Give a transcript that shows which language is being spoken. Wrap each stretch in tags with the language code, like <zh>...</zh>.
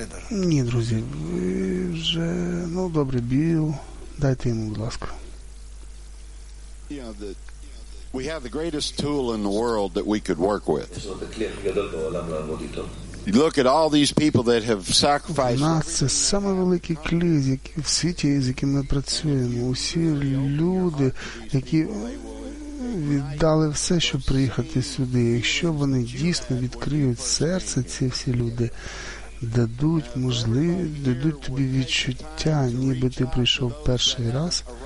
<uk>Ні, друзі, ви вже... Ну, добре, Біл, дайте йому, будь ласка.</uk> <en>We have the greatest tool in the world that we could work with. You look at all these people that have sacrificed.</en> <uk>У нас це найвеликий клі, який в світі, з яким ми працюємо. Усі люди, які віддали все, щоб приїхати сюди. Якщо вони дійсно відкриють серце, ці всі люди дадуть можливість, дадуть тобі відчуття, ніби ти прийшов перший раз.</uk>